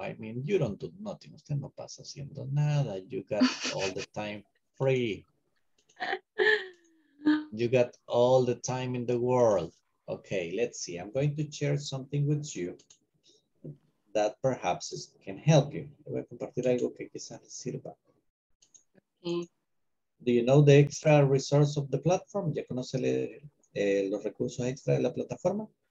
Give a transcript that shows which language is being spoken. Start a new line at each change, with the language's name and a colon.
English: I mean, you don't do nothing.
Spanish: Usted no pasa haciendo nada.
English: You got all the time free. You got all the time in the world. Okay, let's see. I'm going to share something with you that perhaps can help you.
Spanish: Voy a compartir algo que quizás les sirva.
English: Do you know the extra resource of the platform?
Spanish: ¿Ya conoce los recursos extra de la plataforma?